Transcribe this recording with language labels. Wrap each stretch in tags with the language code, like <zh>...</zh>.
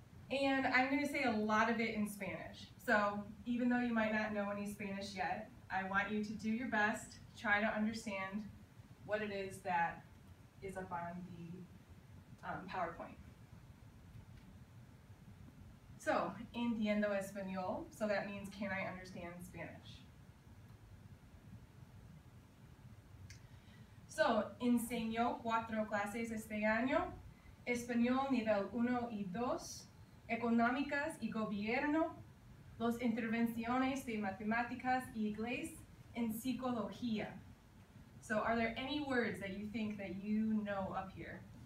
<en>And I'm going to say a lot of it in Spanish. So, even though you might not know any Spanish yet, I want you to do your best, try to understand what it is that is up on the PowerPoint. So,</en> <es>entiendo español,</es> <en>so that means can I understand Spanish?</en> <es>So, enseño cuatro clases este año, español nivel 1 y 2, económicas y gobierno, las intervenciones de matemáticas y inglés, en psicología.</es> <en>So, are there any words that you think that you know up here?</en>